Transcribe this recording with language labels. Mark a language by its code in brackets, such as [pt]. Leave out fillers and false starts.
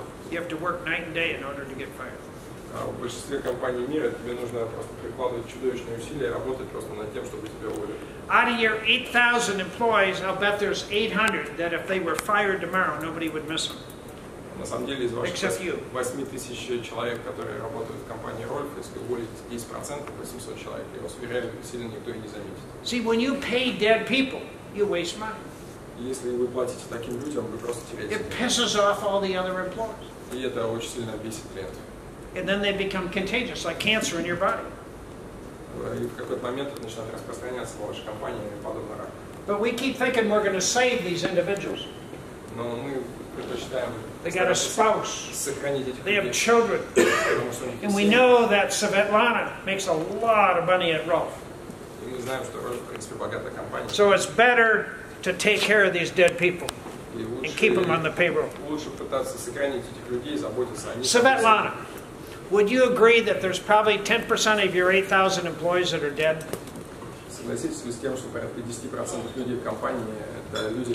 [en] You have to work night and day in order to get fired. [ru] В большинстве компаний мира тебе нужно просто прикладывать чудовищные усилия и работать просто над тем, чтобы тебя уволили. [en] Out of your 8,000 employees, I'll bet there's 800 that if they were fired tomorrow, nobody would miss them. [ru] На самом деле, из ваших 8,000 человек, которые работают в компании Рольф, если уволить 10%, 800 человек, я вас уверяю, сильно никто и не заметит. [en] See, when you pay dead people, you waste money. [ru] Если вы платите таким людям, вы просто теряете. [en] It pisses off all the other employees. [ru] И это очень сильно бесит клиентов. [en] And then they become contagious, like cancer in your body. [ru] И в какой-то момент это начинает распространяться в вашей компании, подобно раку. [en] But we keep thinking we're going to save these individuals. [ru] Но мы предпочитаем. [en] They got a spouse. [ru] Сохранить этих. [en] They have children. And we know that Svetlana makes a lot of money at Rolf. [ru] И мы знаем, что Рольф, в принципе, богатая компания. [en] So it's better to take care of these dead people and keep them on the payroll. [ru] Лучше пытаться сохранить этих людей, заботиться о них. [en] Svetlana, would you agree that there's probably 10% of your 8,000 employees that are dead? [ru] Согласитесь с тем, что порядка 10% людей в компании это люди.